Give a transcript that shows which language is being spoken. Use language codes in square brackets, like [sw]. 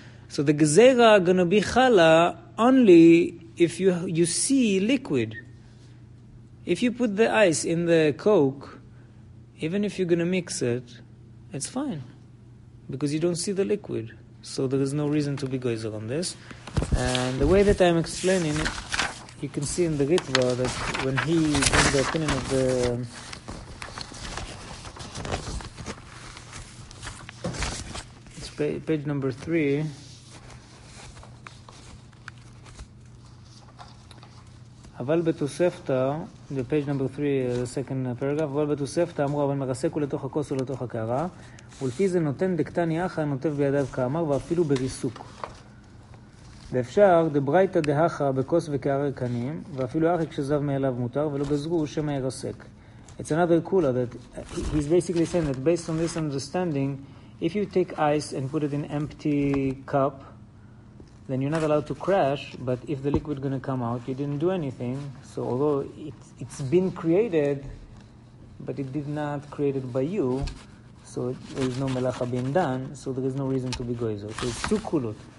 [en] So the gezera going to be chala only if you see liquid. If you put the ice in the Coke, even if you're going to mix it, it's fine, because you don't see the liquid. So there is no reason to be gezer on this. And the way that I'm explaining it, you can see in the Ritva that when he in the opinion of the it's page number 3, [he] אבל בתוספתא, [en] בפייג' נאמבר 3, סקנד פרגרף, [he] אבל בתוספתא אמרו, אבל מרסק הוא לתוך הכוס ולתוך הקערה, ולפי זה נותן דקטני אחר, נוטף בידיו כאמר, ואפילו בריסוק. ואפשר, דברייתא דהכה בכוס וקערה קנים, ואפילו אחר כשזב מאליו מותר, ולא גזרו, שמא ירסק. [en] It's another cooler that he's basically saying that based on this understanding, if you take ice and put it in empty cup, then you're not allowed to crash, but if the liquid is going to come out, you didn't do anything. So although it's been created, but it did not create it by you, so there is no melacha being done, so there is no reason to be goyzer. So it's two kulot.